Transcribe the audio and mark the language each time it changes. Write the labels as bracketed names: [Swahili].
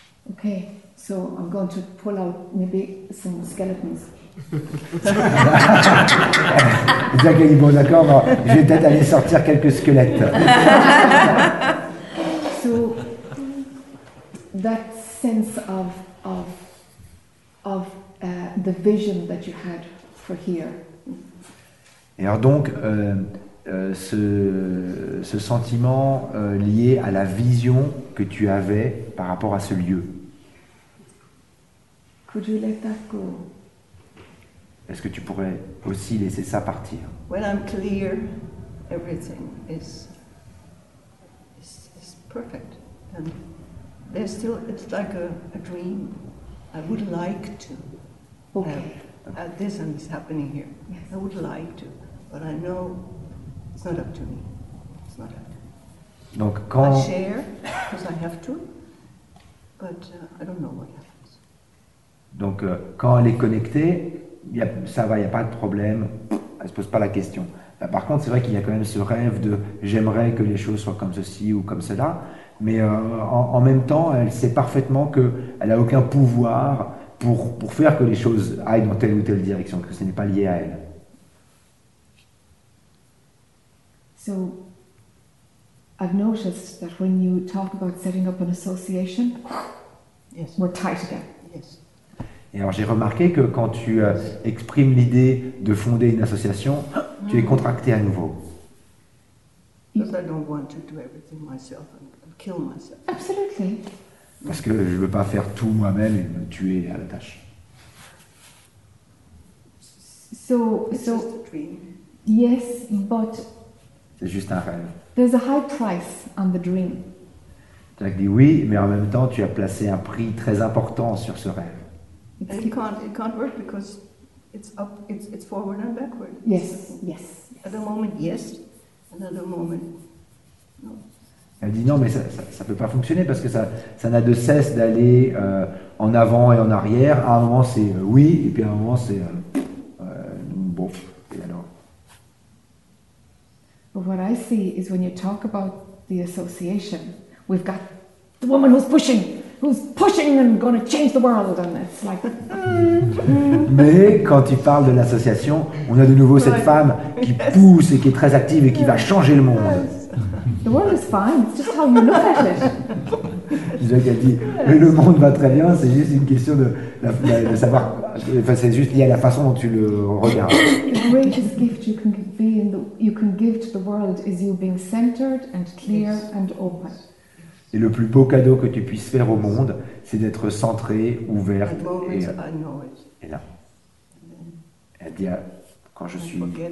[English] Ok, so I'm going to pull out maybe some skeletons. [French] Bon, d'accord, non. Je vais peut-être aller sortir quelques squelettes. [English] So that sense of the vision that you had for here. [French] Et alors donc ce sentiment lié à la vision que tu avais par rapport à ce lieu. [English] Could you let that go? [French] Est-ce que tu pourrais aussi laisser ça partir? [English] When I'm clear, everything is perfect. And there's still, it's like a dream. I would like to have this and this happening here. Yes. I would like to, but I know it's not up to me. It's not up to me. [French] Donc quand... [English] I share, because I have to, but I don't know what happens. [French] Donc quand elle est connectée, ça va, il n'y a pas de problème, elle ne se pose pas la question. Par contre, c'est vrai qu'il y a quand même ce rêve de « j'aimerais que les choses soient comme ceci ou comme cela », mais en même temps, elle sait parfaitement qu'elle n'a aucun pouvoir pour faire que les choses aillent dans telle ou telle direction, que ce n'est pas lié à elle. [English] So, I've noticed that when you talk about setting up an association, yes, we're tight again. Yes. [French] Et alors j'ai remarqué que quand tu exprimes l'idée de fonder une association, tu es contracté à nouveau. [English] Because I don't want to do everything myself and kill myself. Absolutely. [French] Parce que je ne veux pas faire tout moi-même et me tuer à la tâche. [English] So it's just a dream. Yes, but [French] c'est juste un rêve. [English] There's a high price on the dream. [French] Tu as dit oui, mais en même temps tu as placé un prix très important sur ce rêve. [English] And it can't work because it's up, it's forward and backward. Yes, yes. At the moment, yes. Another moment, no. [French] Elle dit non, mais ça peut pas fonctionner parce que ça n'a de cesse d'aller en avant et en arrière. À un moment c'est oui, et puis à un moment c'est bon. Et alors. [English] But what I see is when you talk about the association, we've got the woman who's pushing. Who's pushing and going to change the world on this? Like. [French] Mais quand tu parles de l'association, on a de nouveau cette femme qui pousse et qui est très active et qui va changer le monde. [English] The world is fine. It's just how you look at it. [French] Jacques a dit, mais le monde va très bien, c'est juste une question de savoir, enfin, c'est juste lié à la façon dont tu le regardes. [English] The greatest gift you can be in the, you can give to the world is you being centered and clear and open. [French] Et le plus beau cadeau que tu puisses faire au monde, c'est d'être centré, ouverte et, et là. Elle dit, quand je suis...